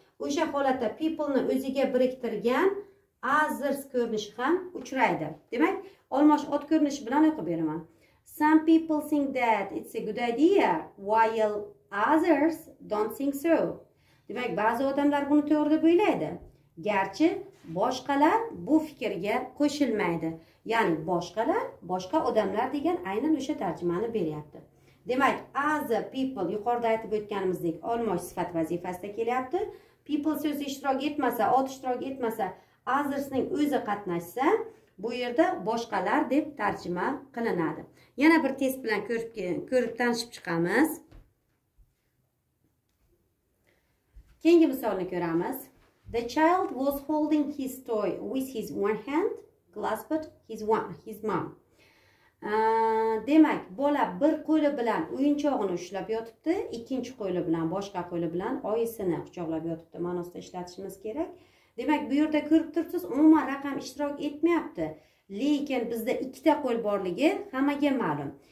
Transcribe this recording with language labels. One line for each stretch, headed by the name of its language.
Uzbek: O'sha holatda people'ni o'ziga biriktirgan others ko'rinishi ham uchraydi. Demak, olmosh ot ko'rinishi bilan o'qib beraman.
English: Some people think that it's a good idea while others don't think so.
Uzbek: Demak, ba'zi odamlar buni to'g'ri deb o'ylaydi. Garchi boshqalar bu fikrga qo'shilmaydi. Ya'ni boshqalar boshqa odamlar degan aynan o'sha tarjimani beryapti. Demak,
English: as a people
Uzbek: yuqorida aytib o'tganimizdek olmosh sifat vazifasida kelyapti. People so'zi ishtirok etmasa, ot ishtirok etmasa, others'ning o'zi qatnashsa, bu yerda boshqalar deb tarjima qilinadi. Yana bir test bilan ko'rib tanishib chiqamiz. Keyingi misolni ko'ramiz.
English: The child was holding his toy with his one hand, clasped his mom.
Uzbek: Demak, bola bir qo'li bilan o'yinchog'ini ushlab yotibdi, ikkinchi qo'li bilan boshqa qo'li bilan oyisini quchoqlab yotibdi ma'nosida ishlatishimiz kerak. Demak, bu yerda ko'rib turibsiz, umuman raqam ishtirok etmayapti, lekin bizda ikkita qo'l borligi hammaga ma'lum.